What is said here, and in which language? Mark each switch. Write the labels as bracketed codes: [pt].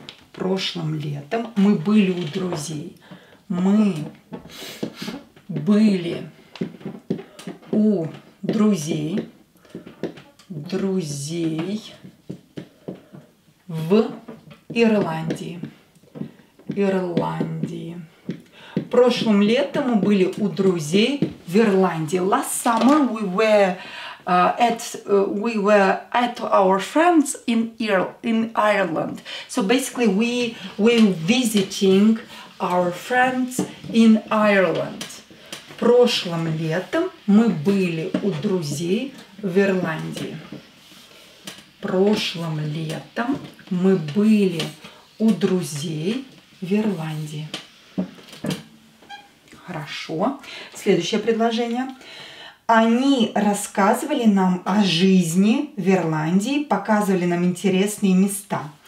[ru] Прошлым летом мы были у друзей. Мы были у друзей, друзей в Ирландии. Ирландии. Прошлым летом мы были у друзей в Ирландии. [en] Last summer we were at our friends in Ireland. So basically we were visiting our friends in Ireland. [ru] Прошлым летом мы были у друзей в Ирландии. прошлым летом мы были у друзей в Ирландии. Хорошо. Следующее предложение. Они рассказывали нам о жизни в Ирландии, показывали нам интересные места.